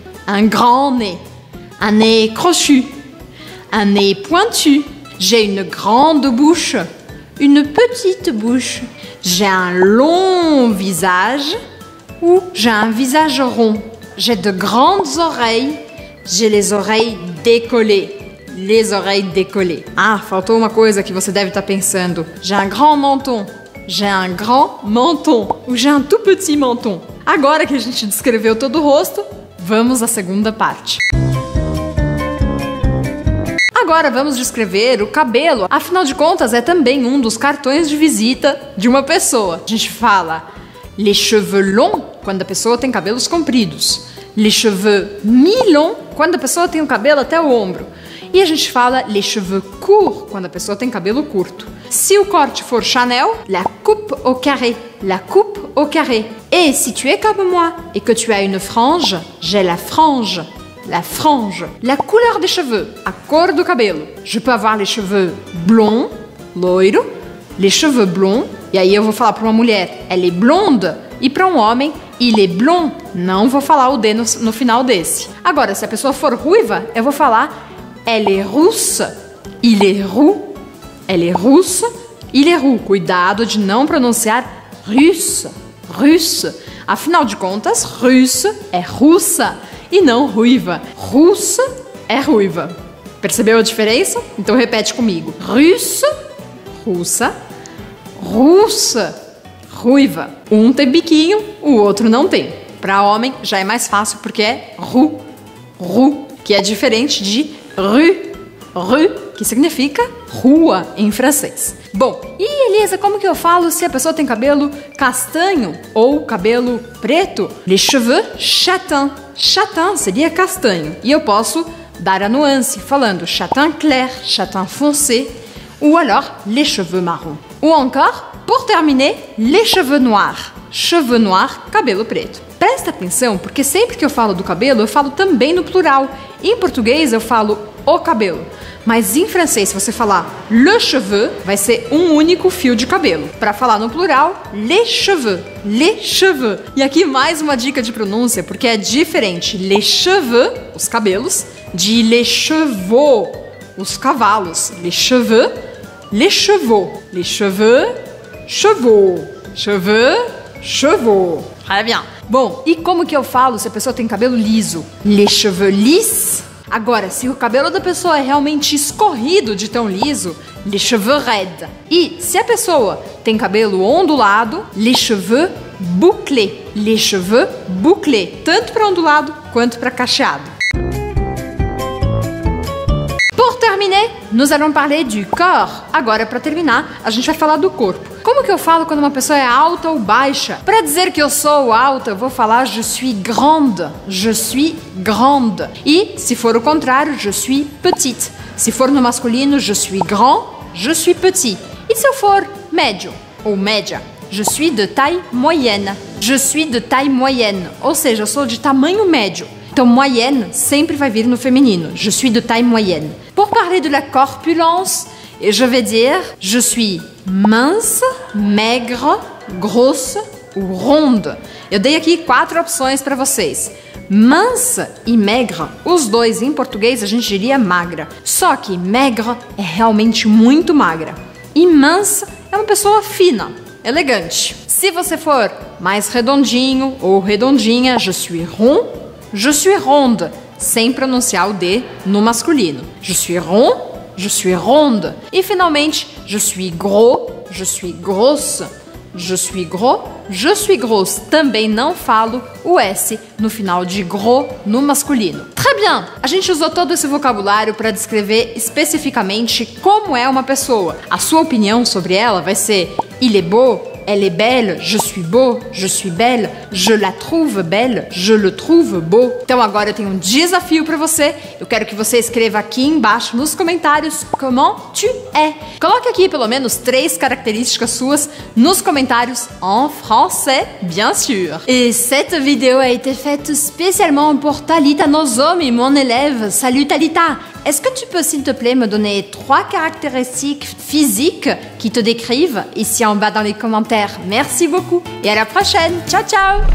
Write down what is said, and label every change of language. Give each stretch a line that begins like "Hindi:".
French: Un grand nez, un nez crochu, un nez pointu, j'ai une grande bouche, une petite bouche, j'ai un long visage ou j'ai un visage rond, j'ai de grandes oreilles, j'ai les oreilles décollées. Les oreilles décollées.
Portuguese: Ah, faltou uma coisa que você deve estar pensando.
French: J'ai un grand menton, j'ai un grand menton ou j'ai un tout petit menton.
Portuguese: Agora que a gente descreveu todo o rosto, vamos à segunda parte. Agora vamos descrever o cabelo. Afinal de contas, é também um dos cartões de visita de uma pessoa. A gente fala
French: les cheveux longs
Portuguese: quando a pessoa tem cabelos compridos.
French: Les cheveux mi-longs
Portuguese: quando a pessoa tem o cabelo até o ombro. E a gente fala
French: les cheveux courts
Portuguese: quando a pessoa tem cabelo curto. Se o corte for Chanel,
French: la coupe au carré, la coupe au carré. Et si tu es comme moi et que tu as une frange, j'ai la frange, la frange. La couleur des cheveux,
Portuguese: a cor do cabelo.
French: Je peux avoir les cheveux blonds, loiro, les cheveux blonds.
Portuguese: E aí eu vou falar para uma mulher,
French: elle est blonde.
Portuguese: E para um homem,
French: il est blond.
Portuguese: Não vou falar o D no final desse. Agora, se a pessoa for ruiva, eu vou falar,
French: elle est rousse, il est roux. Elle est russe, il est roux.
Portuguese: Cuidado de não pronunciar russe, russe. Afinal de contas, russe é russa e não ruiva. Russe é ruiva. Percebeu a diferença? Então repete comigo. Russe, russa. Russe, ruiva. Um tem biquinho, o outro não tem. Para homem já é mais fácil porque é
French: roux, roux,
Portuguese: que é diferente de
French: rue, rue,
Portuguese: que significa rua em francês. Bom, e Elisa, como que eu falo se a pessoa tem cabelo castanho ou cabelo preto?
French: Les cheveux châtains.
Portuguese: Châtain seria castanho. E eu posso dar a nuance falando
French: châtain clair, châtain foncé ou alors les cheveux marrons. Ou encore, pour terminer, les cheveux noirs. Cheveux noirs,
Portuguese: cabelo preto. Presta atenção, porque sempre que eu falo do cabelo, eu falo também no plural. Em português, eu falo o cabelo. Mas em francês, se você falar
French: le cheveux,
Portuguese: vai ser um único fio de cabelo. Para falar no plural,
French: les cheveux, les cheveux.
Portuguese: E aqui mais uma dica de pronúncia, porque é diferente
French: les cheveux,
Portuguese: os cabelos, de
French: les chevaux,
Portuguese: os cavalos.
French: Les cheveux, les chevaux. Les cheveux, chevaux. Cheveux, chevaux. Très bien.
Portuguese: Bom, e como que eu falo se a pessoa tem cabelo liso?
French: Les cheveux lisses.
Portuguese: Agora, se o cabelo da pessoa é realmente escorrido de tão liso,
French: les cheveux raides.
Portuguese: E se a pessoa tem cabelo ondulado,
French: les cheveux bouclés. Les cheveux bouclés.
Portuguese: Tanto para ondulado quanto para cacheado.
French: terminer, nous allons parler du corps.
Portuguese: Agora, pra terminar, a gente vai falar do corpo. Como que eu falo quando uma pessoa é alta ou baixa? Pra dizer que eu sou alta, eu vou falar
French: je suis grande. Je suis grande.
Portuguese: E, se for o contrário,
French: je suis petite.
Portuguese: Se for no masculino,
French: je suis grand, je suis petit.
Portuguese: E se eu for médio ou média?
French: Je suis de taille moyenne. Je suis de taille moyenne.
Portuguese: Ou seja, eu sou de tamanho médio. Então, moyenne sempre vai vir no feminino.
French: Je suis de taille moyenne. Pour parler de la corpulence, je vais dire je suis mince, maigre, grosse ou ronde.
Portuguese: Eu dei aqui quatro opções para vocês. Mince e maigre, os dois em português a gente diria magra. Só que maigre é realmente muito magra. E mince é uma pessoa fina, elegante. Se você for mais redondinho ou redondinha,
French: je suis rond. Je suis ronde,
Portuguese: sem pronunciar o D no masculino.
French: Je suis rond, je suis ronde.
Portuguese: E finalmente,
French: je suis gros, je suis grosse. Je suis gros, je suis grosse.
Portuguese: Também não falo o S no final de gros no masculino.
French: Très bien!
Portuguese: A gente usou todo esse vocabulário para descrever especificamente como é uma pessoa. A sua opinião sobre ela vai ser:
French: il est beau. Elle est belle, je suis beau, je suis belle, je la trouve belle, je le trouve beau.
Portuguese: Então agora eu tenho um desafio pra você. Eu quero que você escreva aqui embaixo nos comentários
French: comment tu es.
Portuguese: Coloque aqui pelo menos três características suas nos comentários
French: en français, bien sûr. Et cette vidéo a été faite spécialement pour Talita Nozomi, mon élève. Salut Talita! Est-ce que tu peux, s'il te plaît, me donner trois caractéristiques physiques qui te décrivent ici en bas dans les commentaires? Merci beaucoup et à la prochaine.
Italian: Ciao, ciao.